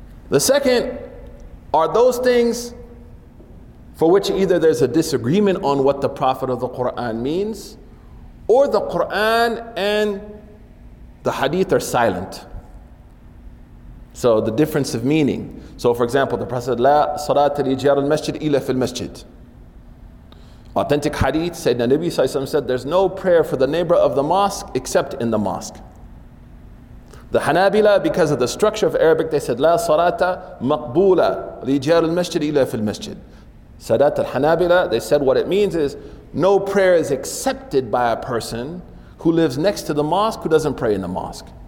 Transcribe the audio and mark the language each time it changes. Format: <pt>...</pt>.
<en>The second are those things for which either there's a disagreement on what the Prophet of the Quran means, or the Quran and the Hadith are silent. So the difference of meaning. So for example, the Prophet said,</en> <ar>لا صلاة لجار المسجد إلا في المسجد.</ar> <en>Authentic Hadith, Sayyidina Nabi Sallallahu Alaihi Wasallam said, there's no prayer for the neighbor of the mosque except in the mosque. The Hanabila, because of the structure of Arabic, they said,</en> <ar>لا صلاة مقبولة لجار المسجد إلا في المسجد.</ar> <en>Sadat al-Hanabila, they said what it means is, no prayer is accepted by a person who lives next to the mosque who doesn't pray in the mosque.</en>